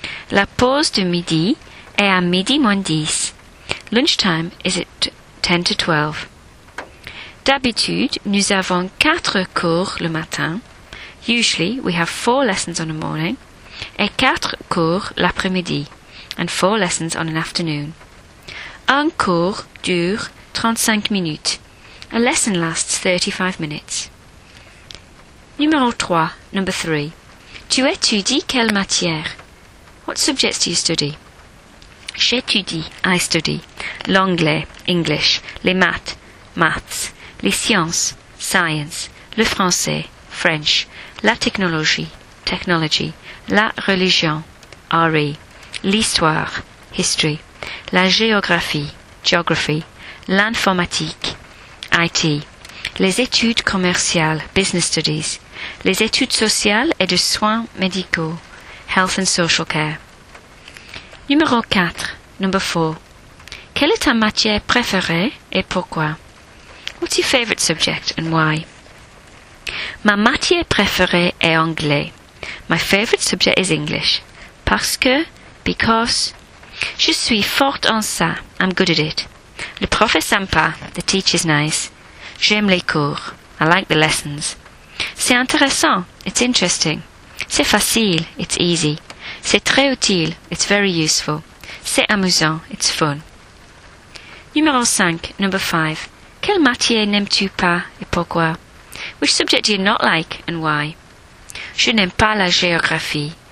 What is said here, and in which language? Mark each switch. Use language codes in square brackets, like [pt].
[fr] La pause de midi est à midi moins 10. [en] Lunchtime is at 10 to 12. [fr] D'habitude, nous avons 4 cours le matin. [en] Usually, we have 4 lessons on the morning. [fr] Et 4 cours l'après-midi. [en] And 4 lessons on an afternoon. [fr] Un cours dure 35 minutes. [en] A lesson lasts 35 minutes. [fr] Numéro 3, number 3. Tu étudies quelle matière? [en] What subjects do you study? [fr] J'étudie, I study. L'anglais, English. Les maths, maths. Les sciences, science, le français, French, la technologie, technology, la religion, RE, l'histoire, history, la géographie, geography, l'informatique, IT, les études commerciales, business studies, les études sociales et de soins médicaux, health and social care. Numéro 4, number 4. Quelle est ta matière préférée et pourquoi? [en] What's your favorite subject and why? [fr] Ma matière préférée est anglais. [en] My favorite subject is English. [fr] Parce que, because, je suis forte en ça. [en] I'm good at it. [fr] Le prof est sympa. [en] The teacher's nice. [fr] J'aime les cours. [en] I like the lessons. [fr] C'est intéressant. [en] It's interesting. [fr] C'est facile. [en] It's easy. [fr] C'est très utile. [en] It's very useful. [fr] C'est amusant. [en] It's fun. [fr] Numéro 5, number 5. Quelle matière n'aimes-tu pas et pourquoi? [en] Which subject do you not like and why? [fr] Je n'aime pas la géographie.